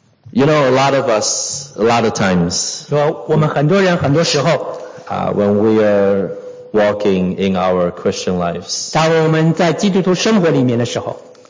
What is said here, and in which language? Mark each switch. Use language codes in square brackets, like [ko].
[en] You know, a lot of us, a lot of times, [zh] 说我们很多人很多时候, [en] when we are walking in our Christian lives, [zh] 当我们在基督徒生活里面的时候,